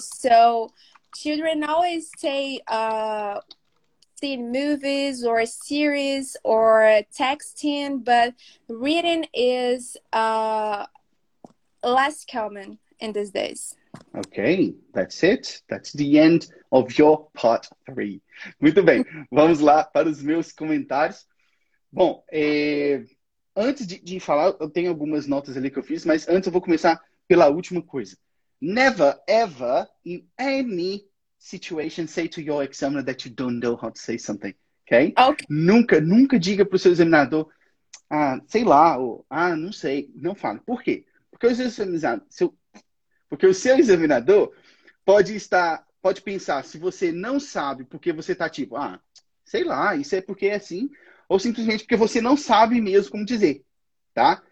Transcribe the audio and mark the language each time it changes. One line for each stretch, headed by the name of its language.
English: So children always stay seeing movies or series or texting, but reading is less common in these days. Okay, that's it. That's the end of your part three.
Portuguese: Muito bem, vamos lá para os meus comentários. Bom, antes de falar, eu tenho algumas notas ali que eu fiz, mas antes eu vou começar pela última coisa.
English: Never, ever, in any situation, say to your examiner that you don't know how to say something, okay? Ok.
Portuguese: Nunca, nunca diga para o seu examinador, ah, sei lá, ou, ah, não sei, não fale. Por quê? Porque o seu examinador, porque o seu examinador pode pensar se você não sabe porque você está tipo, ah, sei lá, isso é porque é assim, ou simplesmente porque você não sabe mesmo como dizer, tá?